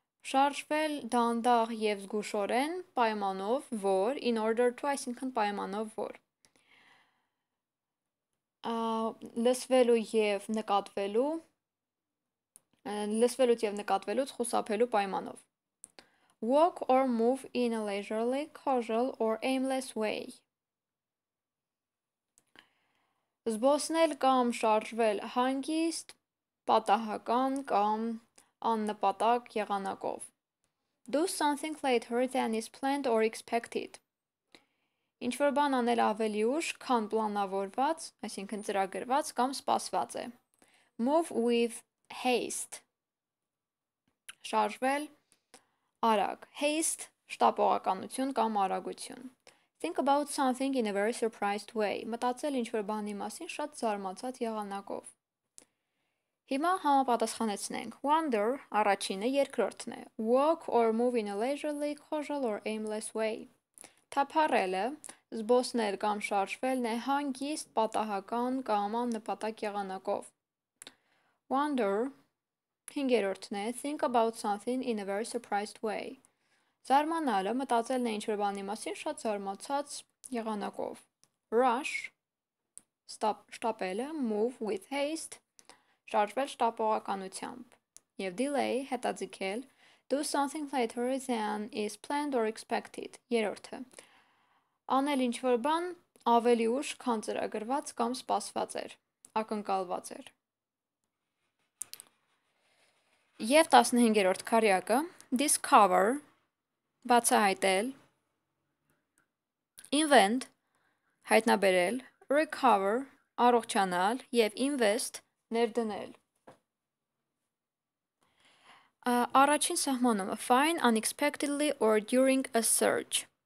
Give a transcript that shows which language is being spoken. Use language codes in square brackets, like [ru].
[hy] Շարժվել դանդաղ եւ զգուշորեն, պայմանով որ, [en] in order to, [hy] այսինքն պայմանով որ։ Լսվելու եւ նկատվելու, լսվելուց եւ նկատվելուց խուսափելու պայմանով։ [en] Walk or move in a leisurely, casual or aimless way. [hy] Զբոսնել կամ շարժվել հանգիստ, պատահական կամ աննպատակ եղանակով. [en] Do something later than is planned or expected. [hy] Ինչ-որ բան անել ավելի ուշ, քան պլանավորված, այսինքն ծրագրված կամ սպասված է. [en] Move with haste. [hy] Շարժվել արագ. Haste, շտապողականություն կամ արագություն. [en] Think about something in a very surprised way. [hy] Մտածել ինչ-որ բանի մասին շատ զարմացած եղանակով. Հիմա համապատասխանեցնենք. Wonder, առաջինը, երկրորդն է. [en] Walk or move in a leisurely, casual or aimless way. [hy] Թափառելը, զբոսնել կամ շարժվելն է հանգիստ, պատահական կամ աննպատակ եղանակով. Wonder, հինգերորդն է. [en] Think about something in a very surprised way. [hy] Զարմանալը, մտածելն է ինչ-որ բանի մասին շատ զարմացած եղանակով. Rush, շտապելը, [en] move with haste, [hy] շարժվել շտապողականությամբ եւ delay, հետաձգել. [en] Do something later than is planned or expected, [hy] երրորդը. Անել ինչ-որ բան ավելի ուշ, քան ծրագրված կամ սպասված էր, ակնկալված էր։ Եվ 15-րդ քարյակը, discover, բացահայտել, invent, հայտնաբերել, recover, առողջանալ եւ invest, ներդնել։ Առաջին սահմանումը, [en] find unexpectedly or during a search.